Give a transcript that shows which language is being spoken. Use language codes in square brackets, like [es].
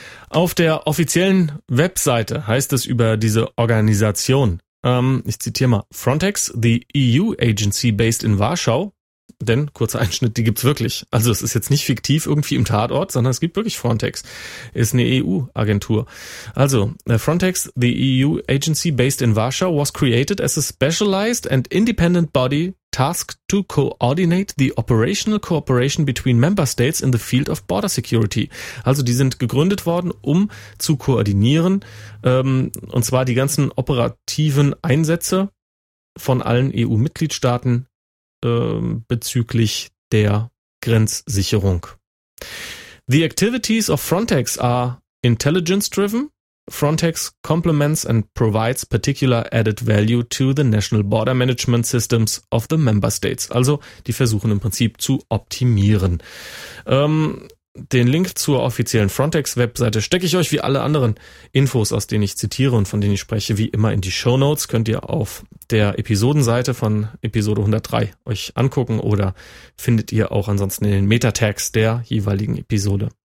[de] Auf der offiziellen Webseite heißt es über diese Organisation, ich zitiere mal, [en] Frontex, the EU agency based in Warschau, [de] denn, kurzer Einschnitt, die gibt's wirklich. Also es ist jetzt nicht fiktiv irgendwie im Tatort, sondern es gibt wirklich Frontex. Ist eine EU-Agentur. [en] Also, Frontex, the EU agency based in Warsaw, was created as a specialized and independent body tasked to coordinate the operational cooperation between member states in the field of border security. [de] Also die sind gegründet worden, um zu koordinieren, und zwar die ganzen operativen Einsätze von allen EU-Mitgliedstaaten bezüglich der Grenzsicherung. [en] The activities of Frontex are intelligence-driven. Frontex complements and provides particular added value to the national border management systems of the member states. [de] Also, die versuchen im Prinzip zu optimieren. Den Link zur offiziellen Frontex-Webseite stecke ich euch wie alle anderen Infos, aus denen ich zitiere und von denen ich spreche, wie immer in die Shownotes. Könnt ihr auf der Episodenseite von Episode 103 euch angucken oder findet ihr auch ansonsten in den Meta-Tags der jeweiligen Episode.